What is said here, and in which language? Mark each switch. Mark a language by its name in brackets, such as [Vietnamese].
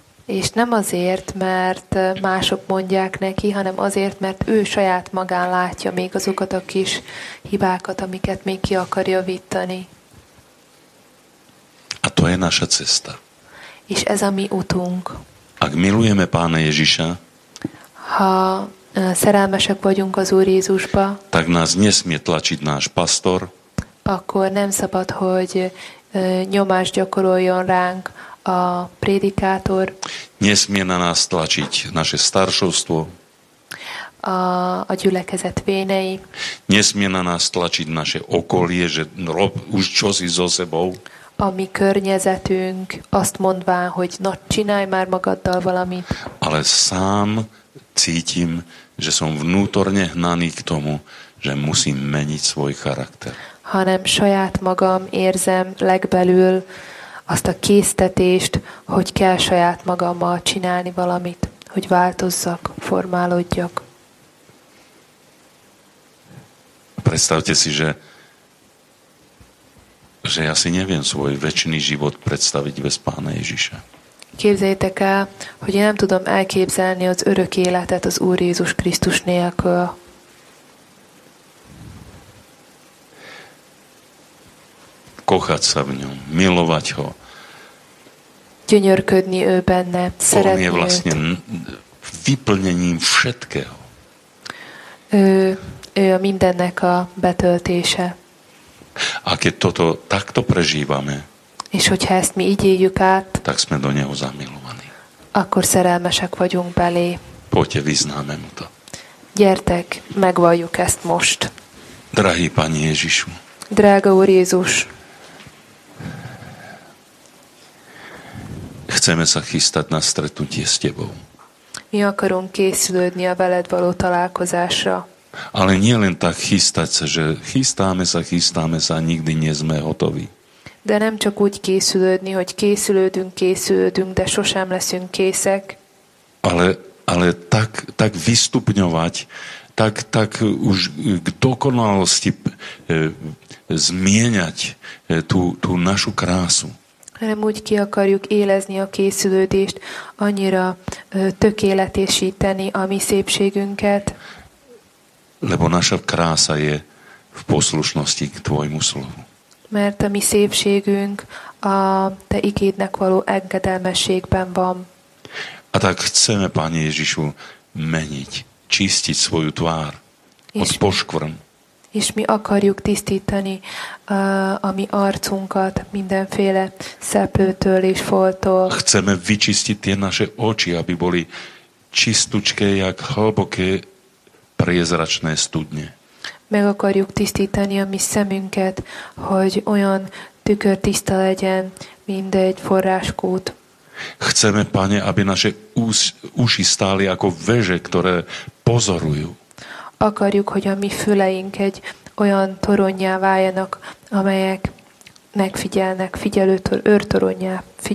[Hungarian] És nem azért, mert mások mondják neki, hanem azért, mert ő saját magán látja még azokat a kis hibákat, amiket még ki akar javítani. [Slovak] A to je naša cesta. [Hungarian] És ez a mi utunk. [Slovak] Ak milujeme pána Ježiša, [Hungarian] ha szerelmesek vagyunk az Úr Jézusba, [Slovak] tak nás nesmie tlačiť náš pastor, [Hungarian] akkor nem szabad, hogy nyomást gyakoroljon ránk a prédikátor, [Slovak] nesmie na nás tlačiť naše staršovstvo, [Hungarian] a gyülekezet vénei, [Slovak] nesmie na nás tlačiť naše okolie, že rob už čo si so sebou, [Hungarian] a mi környezetünk azt mondvá, hogy na, csinálj már magaddal valamit. [Slovak] Ale sám cítim, že som vnútorne hnaný k tomu, že musím meniť svoj charakter. [Hungarian] Hanem saját magam érzem legbelül azt a késztetést, hogy kell saját magammal csinálni valamit, hogy változzak, formálódjak. [Slovak] Predstavte si, že ja si neviem svoj večný život predstaviť bez Pána Ježiša. [Hungarian] Képzeljétek el, hogy én nem tudom elképzelni az örök életet az Úr Jézus Krisztus nélkül. [Slovak] Kochať sa v ňom, milovať ho. [Hungarian] Gyönyörködni ő benne, szeretni őt. [Slovak] On je vlastne vyplnením všetkého. [Hungarian] Ő a mindennek a betöltése. [Slovak] A keď toto takto prežívame, [Hungarian] és hogyha ezt mi így éljük át, [Slovak] tak sme do neho zamilovaní. [Hungarian] Akkor szerelmesek vagyunk belé. [Slovak] Poďte, vyznáme mu to. [Hungarian] Gyertek, megvalljuk ezt most. [Slovak] Drahý Pani Ježišu. [Hungarian] Drága Úr Jézus. [Slovak] Chceme sa chystať na stretnutie s tebou. [Hungarian] Mi akarunk készülődni a veled való találkozásra. [Slovak] Ale nie len tak chystať sa, že chystáme sa, nikdy nie sme hotoví. [Hungarian] De nem csak úgy készülődni, hogy készülődünk, de sosem leszünk készek. [Slovak] Ale tak vystupňovať, tak už k dokonalosti zmieňať tú našu krásu. [Hungarian] Hanem úgy ki akarjuk élezni a készülődést, annyira tökéletesíteni a mi szépségünket. [Slovak] Lebo naša krása je v poslušnosti k tvojmu slovu. [Hungarian] Mert a mi szépségünk a te igédnek való engedelmességben van. [Slovak] A tak chceme, Pane Ježišu, meniť, čistiť svoju tvár od poškvrn. [Hungarian] És mi akarjuk tisztítani a mi arcunkat mindenféle szeplőtől és foltól. [Slovak] Chceme vyčistiť tie naše oči, aby boli čistučké, jak hlboké priezračné studne. [Hungarian] Meg akarjuk tisztítani a mi szemünket, hogy olyan tükörtiszta legyen, mint egy forráskút. [Slovak] Chceme, Pane, aby naše uši stáli ako veže, ktoré pozorujú. [Hungarian] Akarjuk, hogy a mi füleink egy olyan toronnyá váljanak, amelyek megfigyelnek, figyelő toronnyá.